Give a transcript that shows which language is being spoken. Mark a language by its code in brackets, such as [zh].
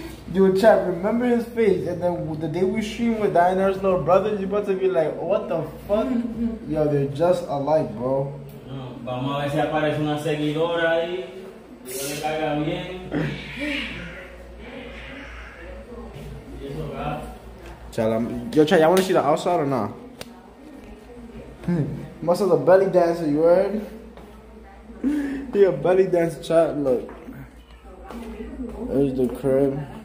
[en] Yo, chat, remember his face, and then the day we stream with Diner's little brother, you're about to be like, what the fuck? Yo, they're just alike, bro. [es] No, vamos a ver si aparece una seguidora ahí, que le caiga bien. [en] Tell him, yo, chat, y'all want to see the outside or not? Muscle the belly dancer, you heard? He a belly dancer, chat, look. There's the crib.